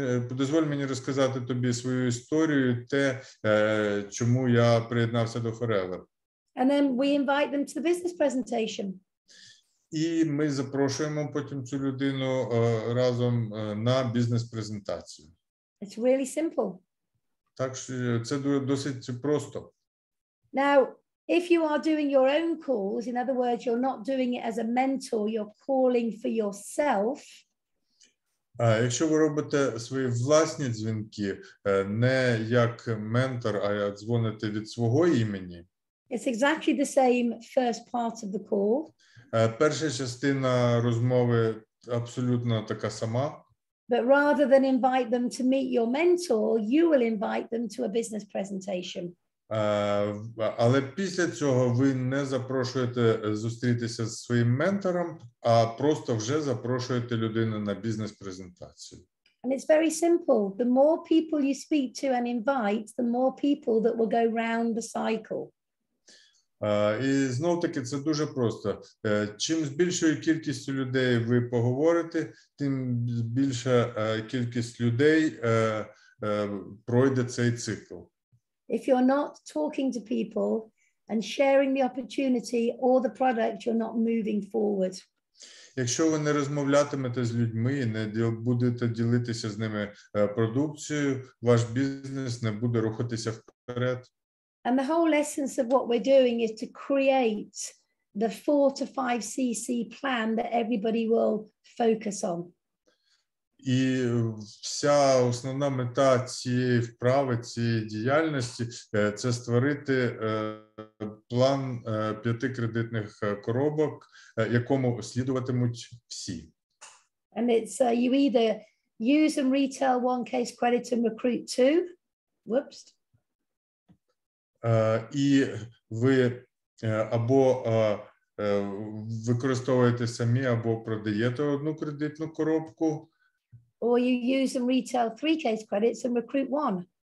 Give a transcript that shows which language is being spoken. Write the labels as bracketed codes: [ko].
[uk] Дозволь мені розказати тобі свою історію, те, чому я приєднався до Forever. [en] And then we invite them to the business presentation. [uk] І ми запрошуємо потім цю людину разом на бізнес-презентацію. [en] It's really simple. [uk] Так що це досить просто. [en] Now, if you are doing your own calls, in other words, you're not doing it as a mentor, you're calling for yourself. [uk] Якщо ви робите свої власні дзвінки, не як ментор, а дзвоните від свого імені. [en] It's exactly the same first part of the call. [uk] Перша частина розмови абсолютно така сама. [en] But rather than invite them to meet your mentor, you will invite them to a business presentation. [uk] Але після цього ви не запрошуєте зустрітися зі своїм ментором, а просто вже запрошуєте людину на бізнес-презентацію. [en] And it's very simple. The more people you speak to and invite, the more people that will go round the cycle. [uk] І знову таки, це дуже просто. Чим з більшою кількістю людей ви поговорите, тим більша кількість людей пройде цей цикл. [en] If you're not talking to people and sharing the opportunity or the product, you're not moving forward. [uk] Якщо ви не розмовлятимете з людьми, не будете ділитися з ними продукцією, ваш бізнес не буде рухатися вперед. [en] And the whole essence of what we're doing is to create the 4-5cc plan that everybody will focus on. [uk] І вся основна мета цієї вправи, цієї діяльності – це створити план п'яти кредитних коробок, якому слідуватимуть всі. [en] And it's you either use and retail one case credit and recruit two. Whoops. [uk] І ви або використовуєте самі, або продаєте одну кредитну коробку. [en] Or you use and retail three case credits and recruit one.